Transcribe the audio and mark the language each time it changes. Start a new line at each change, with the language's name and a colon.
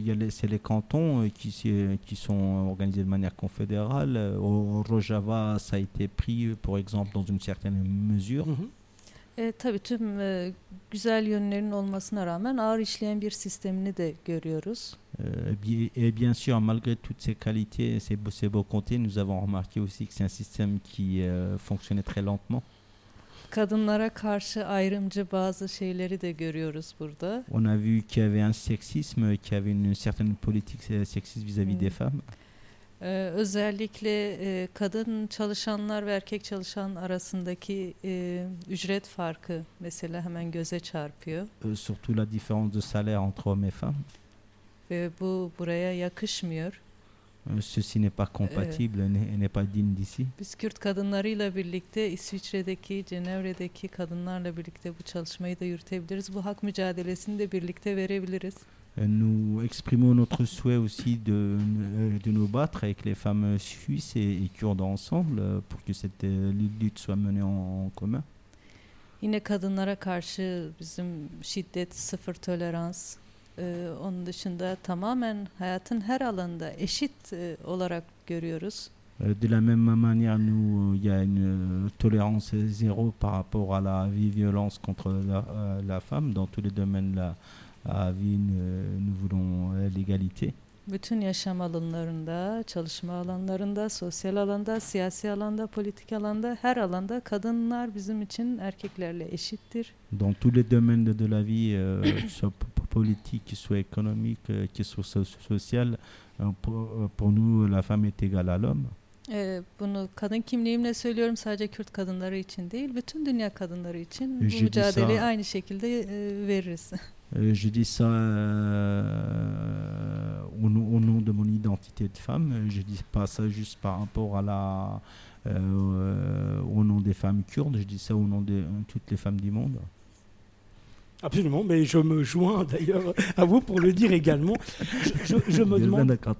French: C'est les cantons qui sont organisés de manière confédérale. Au Rojava, ça a été pris, par exemple, dans une certaine mesure. Mm-hmm.
Turkish: Tabii tüm güzel yönlerinin olmasına rağmen ağır işleyen bir sistemini de görüyoruz.
French: Bien sûr, malgré toutes ces qualités, ces beaux côtés, nous avons remarqué aussi que c'est un système qui fonctionnait très lentement.
Turkish: Kadınlara karşı ayrımcı bazı şeyleri de görüyoruz burada.
French: On a vu qu'il y avait un sexisme, qu'il y avait une certaine politique sexiste vis-à-vis des femmes.
Turkish: Özellikle kadın çalışanlar ve erkek çalışan arasındaki ücret farkı mesela hemen göze çarpıyor.
French: Surtout la différence de salaire entre hommes et femmes.
Turkish: Ve bu buraya yakışmıyor.
French: Ceci n'est pas compatible, n'est pas digne d'ici.
Turkish: Biz Kürt kadınlarıyla birlikte İsviçre'deki, Cenevre'deki kadınlarla birlikte bu çalışmayı da yürütebiliriz. Bu hak mücadelesini de birlikte verebiliriz.
French: Nous exprimons notre souhait aussi de nous battre avec les femmes suisses et kurdes ensemble pour que cette lutte soit menée en commun.
Turkish: Yine kadınlara karşı bizim şiddet sıfır tolerans. Onun dışında tamamen hayatın her alanında eşit olarak görüyoruz.
French: De la même manière, nous, il y a une tolérance zéro par rapport à la violence contre la femme dans tous les domaines de la vie. Nous voulons l'égalité.
Turkish: Bütün yaşam alanlarında, çalışma alanlarında, sosyal alanda, siyasi alanda, politik alanda, her alanda kadınlar bizim için erkeklerle eşittir.
French: Dans tous les domaines de la vie, soit politique, soit économique, soit social, pour nous, la femme est égale à l'homme.
Turkish: Bunu kadın kimliğimle söylüyorum, sadece Kürt kadınları için değil, bütün dünya kadınları için bu mücadeleyi aynı şekilde veririz.
French: Je dis ça au nom de mon identité de femme. Je dis pas ça juste par rapport à la au nom des femmes kurdes. Je dis ça au nom de toutes les femmes du monde. Absolument, mais je me joins d'ailleurs à vous pour le dire également. Je me demande.